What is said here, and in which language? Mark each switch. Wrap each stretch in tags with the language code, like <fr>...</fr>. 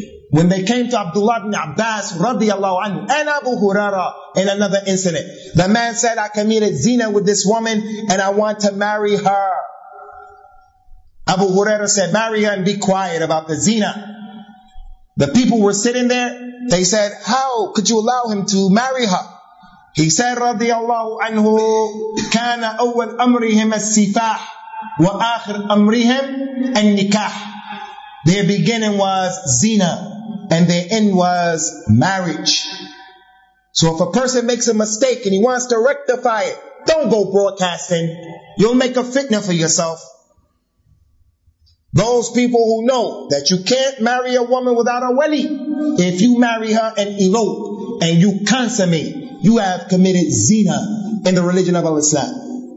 <en>When they came to Abdullah ibn Abbas radiallahu anhu and Abu Huraira in another incident, the man said, I committed zina with this woman and I want to marry her. Abu Huraira said, marry her and be quiet about the zina. The people were sitting there, they said, how could you allow him to marry her? He said, radiallahu anhu,</en> <ar>كان أول أمرهم السفاح وآخر أمرهم النكاح.</ar> <en>Their beginning was zina and their end was marriage. So if a person makes a mistake and he wants to rectify it, don't go broadcasting. You'll make a fitna for yourself. Those people who know that you can't marry a woman without a wali, if you marry her and elope and you consummate, you have committed zina in the religion of Al-Islam.</en>